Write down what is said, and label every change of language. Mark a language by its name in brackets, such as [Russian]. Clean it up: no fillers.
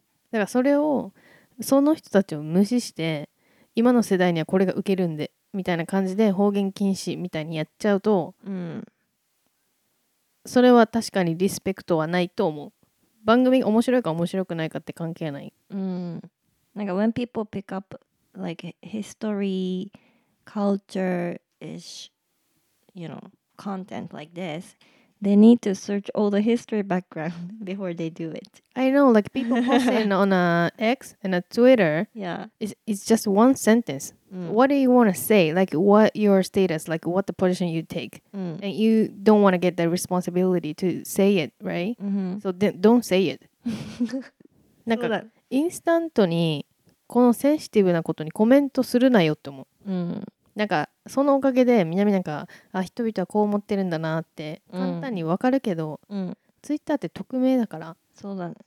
[Japanese] だからそれをその人たちを無視して今の世代にはこれが受けるんでみたいな感じで方言禁止みたいにやっちゃうと、うん、それは確かにリスペクトはないと思う。番組面白いか面白くないかって関係ない。うん。 [English] なんか when people pick up like history, culture ish, you know, content like this, they need to search all the history background before they do it. I know, like people posting on a X and a Twitter. Yeah. It's just one sentence.、 Mm. What do you want to say? Like what your status, like what the position you take.、 Mm. And you don't want to get the responsibility to say it, right?、 Mm-hmm. So don't say it. [Japanese] なんかインスタントにこのセンシティブなことにコメントするなよって思う。うん。なんかそのおかげで南なんかあ人々はこう思ってるんだなって簡単にわかるけど、うん、ツイッターって匿名だからそうだ、ね、